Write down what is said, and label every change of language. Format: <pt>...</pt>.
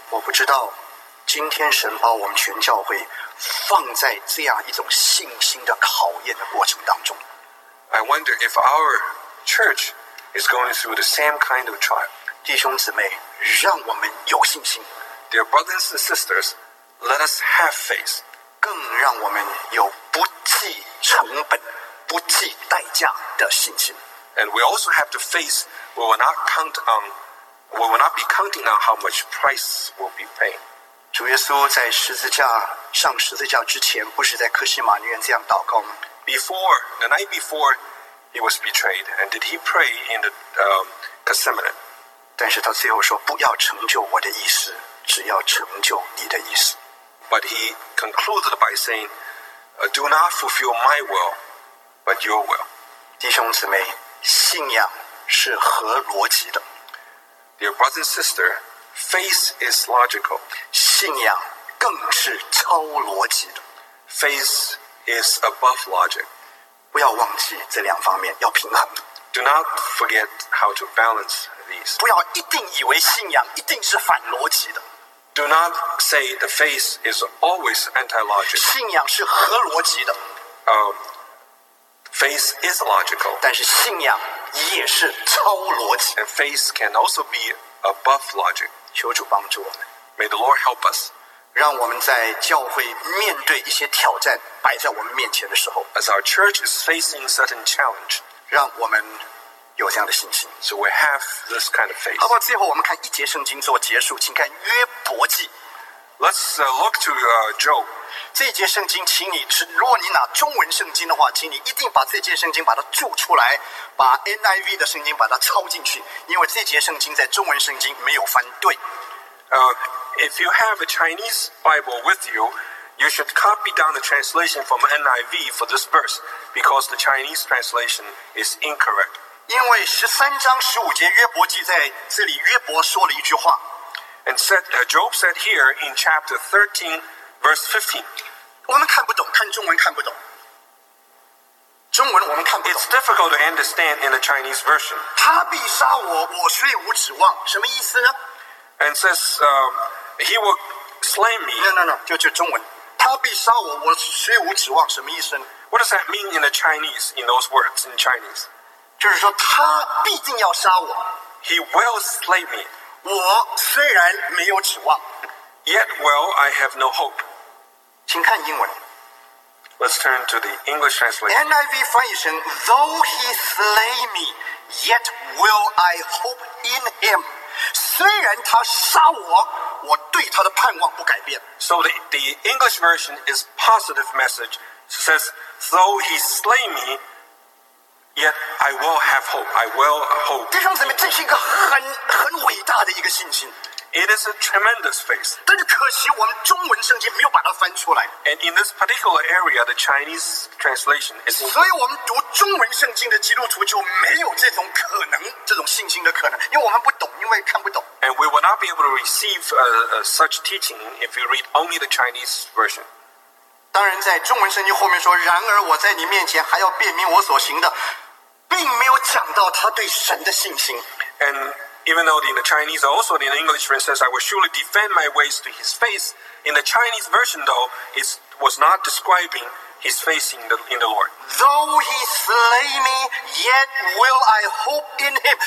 <zh>我不知道。今天神把我们全教会放在这样一种信心的考验的过程当中。</zh> <en>I wonder if our church is going through the same kind of trial.</en> <zh>弟兄姊妹，让我们有信心。</zh> <en>Dear brothers and sisters, let us have faith.</en> <zh>更让我们有不计成本、不计代价的信心。</zh> <en>And we also have the faith we will not count on, we will not be counting on how much price will be paid.</en> <zh>主耶稣在十字架上十字架之前，不是在克西马尼园这样祷告吗？</zh> <en>Before the night before he was betrayed, and did he pray in the Gethsemane?</en> <zh>但是他最后说：“不要成就我的意思，只要成就你的意思。”</zh> <en>But he concluded by saying, "Do not fulfill my will, but your will."</en> <zh>弟兄姊妹，信仰是合逻辑的。</zh> <en>Dear brother and sister. Faith is logical.</en> <zh>信仰更是超逻辑的。</zh> <en>Faith is above logic.</en> <zh>不要忘记这两方面，要平衡。</zh> <en>Do not forget how to balance these.</en> <zh>不要一定以为信仰一定是反逻辑的。</zh> <en>Do not say the faith is always anti-logic.</en> <zh>信仰是合逻辑的。</zh> <en>Faith is logical.</en> <zh>但是信仰也是超逻辑。</zh> <en>And faith can also be above logic.</en> <zh>求主帮助我们。</zh> <en>May the Lord help us.</en> <zh>让我们在教会面对一些挑战摆在我们面前的时候，</zh> <en>As our church is facing certain challenge,</en> <zh>让我们有这样的信心。</zh> <en>So we have this kind of faith.</en> <zh>好不好？最后我们看一节圣经做结束，请看约伯记。</zh> <en>Let's look to Job.</en> <zh>这节圣经，请你如果你拿中文圣经的话，请你一定把这节圣经把它注出来，把 NIV 的圣经把它抄进去，因为这节圣经在中文圣经没有翻对。</zh> <en>If you have a Chinese Bible with you, you should copy down the translation from NIV for this verse, because the Chinese translation is incorrect.</en> <zh>因为十三章十五节约伯记在这里，约伯说了一句话。</zh> <en>And said, Job said here in chapter 13, verse 15.</en> <zh>我们看不懂，看中文看不懂。中文我们看不懂。</zh> <en>It's difficult to understand in the Chinese version.</en> <zh>他必杀我，我虽无指望，什么意思呢？</zh> <en>And says, he will slay me.</en> <zh>No, 就中文。他必杀我，我虽无指望，什么意思呢？</zh> <en>What does that mean in the Chinese, in those words, in Chinese?</en> <zh>就是说他必定要杀我。</zh> <en>He will slay me.</en> <zh>我虽然没有指望</zh> <en>Yet, well, I have no hope.</en> <zh>请看英文。</zh> <en>Let's turn to the English translation. NIV</en> <zh>翻译成</zh> <en>Though he slay me, yet will I hope in him.</en> <zh>虽然他杀我，我对他的盼望不改变。</zh> <en>So the English version is positive message. It says, Though he slay me,Yet I will have hope. I will hope.</en> <zh>弟兄姊妹，这是一个很伟大的一个信心。</zh> <en>It is a tremendous faith.</en> <zh>但是可惜我们中文圣经没有把它翻出来。</zh> <en>And in this particular area, the Chinese translation is.</en> <zh>所以我们读中文圣经的基督徒就没有这种可能，这种信心的可能，因为我们不懂，因为看不懂。</zh> <en>And we will not be able to receive such teaching if we read only the Chinese version.</en> <zh>当然在中文圣经后面说，然而我在你面前还要辨明我所行的，并没有讲到他对神的信心。</zh> <en>And even though in the Chinese also in the English verse says, I will surely defend my ways to his face, In the Chinese version, though, it was not describing his faith in the Lord. Though he slay me, yet will I hope in him.</en>